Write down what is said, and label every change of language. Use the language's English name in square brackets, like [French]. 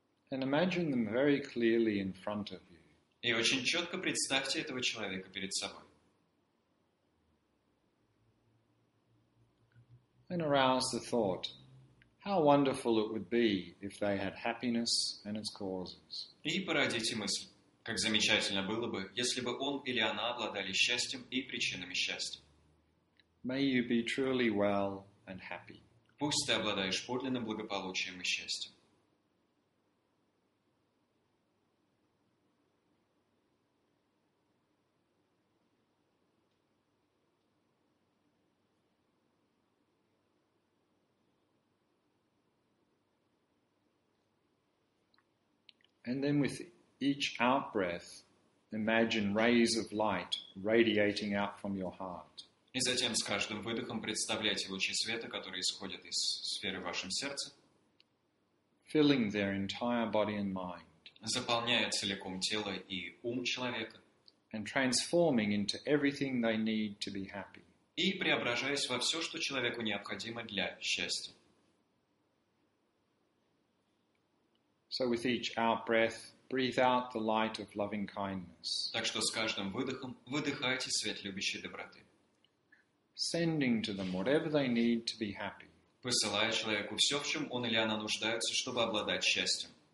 [English] And imagine them very clearly in front of you. [Russian] И очень четко представьте этого человека перед собой. [English] And arouse the thought. How wonderful it would be if they had happiness and its causes. [Russian] И породите мысль, как замечательно было бы, если бы он или она обладали счастьем и причинами счастья. [English] May you be truly well and happy. [Russian] Пусть ты обладаешь подлинным благополучием и счастьем. [English] And then with each out-breath, imagine rays of light radiating out from your heart. [Russian] И затем с каждым выдохом представляйте лучи света, которые исходят из сферы в вашем сердце. [English] Filling their entire body and mind. [Russian] Заполняя целиком тело и ум человека. [English] And transforming into everything they need to be happy. [Russian] И преображаясь во все, что человеку необходимо для счастья. [English] So with each out-breath, breathe out the light of loving kindness. [Russian] Так что с каждым выдохом выдыхайте свет любящей доброты. [English] Sending to them whatever they need to be happy. [Russian] Посылая человеку все, в чем он или она нуждается, чтобы обладать счастьем.